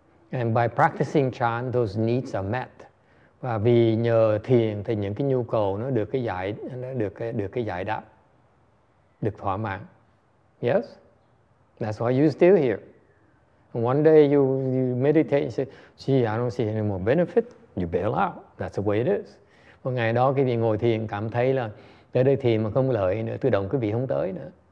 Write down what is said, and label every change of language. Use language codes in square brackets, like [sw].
[en] And by practicing chan, those needs are met. [vi] Và vì nhờ thiền thì những cái nhu cầu nó được cái giải đáp. được thỏa mãn. [en] Yes? That's why you're still here. And one day you meditate and say, gee, I don't see any more benefit. You bail out. That's the way it is. [vi] Một ngày đó quý vị ngồi thiền cảm thấy là tới đây thiền mà không lợi nữa, tự động quý vị không tới nữa.